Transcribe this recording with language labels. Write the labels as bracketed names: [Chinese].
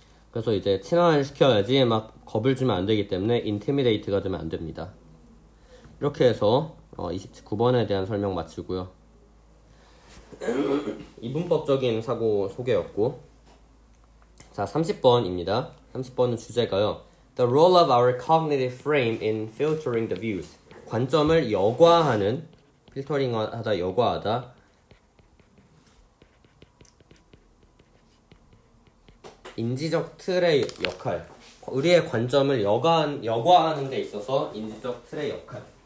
[Korean] 그래서 이제 친화를 시켜야지 막 겁을 주면 안 되기 때문에 인티미데이트가 되면 안 됩니다. 이렇게 해서 29번에 대한 설명 마치고요. 이분법적인 사고 소개였고. 자, 30번입니다. 30번은 주제가요. [English] The role of our cognitive frame in filtering the views. [Korean] 관점을 여과하는, 필터링 하다, 여과하다. 인지적 틀의 역할. 우리의 관점을 여과하는 데 있어서 인지적 틀의 역할.